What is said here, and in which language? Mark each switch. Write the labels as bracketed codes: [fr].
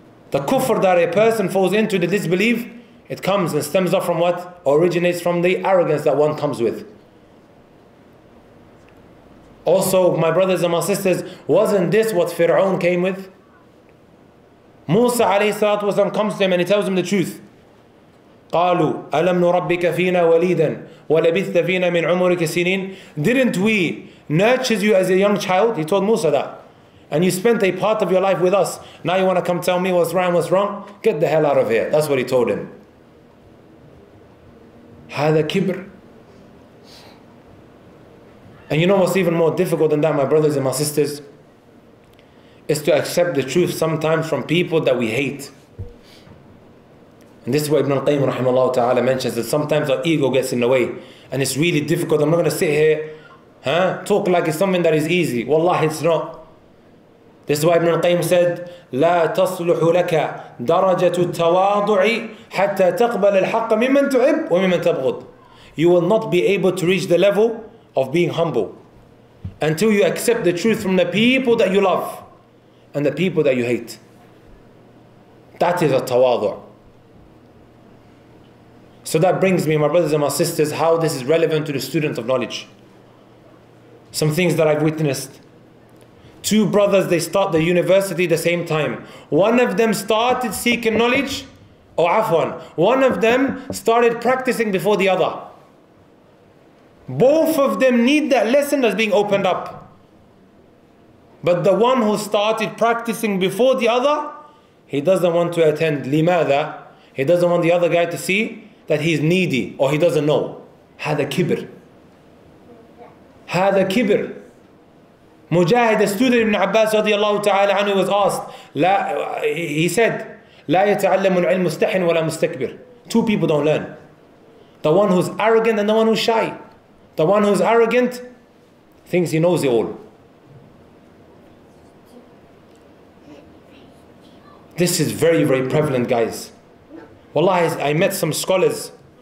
[en] The kufr that a person falls into, the disbelief, it comes and stems off from what? Originates from the arrogance that one comes with. Also, my brothers and my sisters, wasn't this what Fir'aun came with? Musa alayhi salatu wasalam comes to him and he tells him the truth. [ar] قالوا ألم نربك فينا وليدا ولبثت فينا من عمرك سنين. [en] Didn't we nurture you as a young child? He told Musa that. And you spent a part of your life with us. Now you want to come tell me what's right and what's wrong? Get the hell out of here. That's what he told him. [ar] هذا كبر. [en] And you know what's even more difficult than that, my brothers and my sisters? Is to accept the truth sometimes from people that we hate. And this is what Ibn al-Qayyim rahimahullah ta'ala mentions, that sometimes our ego gets in the way. And it's really difficult. I'm not going to sit here, talk like it's something that is easy. Wallahi, it's not. This is why Ibn al-Qayyim said, [ar] لا تصلح لك درجة التواضع حتى تقبل الحق ممن تحب وممن تبغض. [en] You will not be able to reach the level of being humble until you accept the truth from the people that you love and the people that you hate. That is a tawadu. So that brings me, my brothers and my sisters, how this is relevant to the student of knowledge. Some things that I've witnessed. Two brothers, they start the university at the same time. One of them started seeking knowledge, one of them started practicing before the other. Both of them need that lesson that's being opened up. But the one who started practicing before the other, he doesn't want to attend. [ar] لماذا? [en] He doesn't want the other guy to see that he's needy or he doesn't know. [ar] هذا كبر. هذا كبر. [en] Mujahid, a student Ibn Abbas رضي الله تعالى عنه, was asked. He said, [ar] لا يتعلم العلم مستحن ولا مستكبر. [en] Two people don't learn. The one who's arrogant and the one who's shy. The one who's arrogant thinks he knows it all. This is very, very prevalent, guys. Wallahi, I met some scholars.